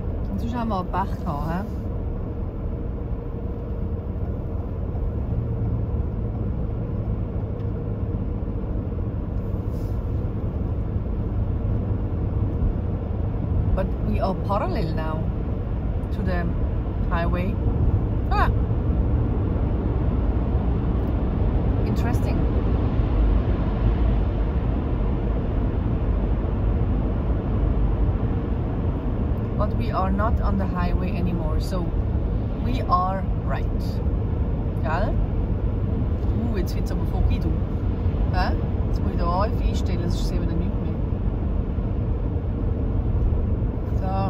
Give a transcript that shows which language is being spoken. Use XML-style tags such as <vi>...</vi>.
<de>Und sonst haben wir auch Pech gehabt, he?</de> <en>But we are parallel now to the highway. Ah. Interesting. We are not on the highway anymore, so we are right.</en> <de>Gell? Jetzt wird's aber foggy, du. Hä? Jetzt muss ich da auf einstellen, sonst sehen wir dann nichts mehr.</de>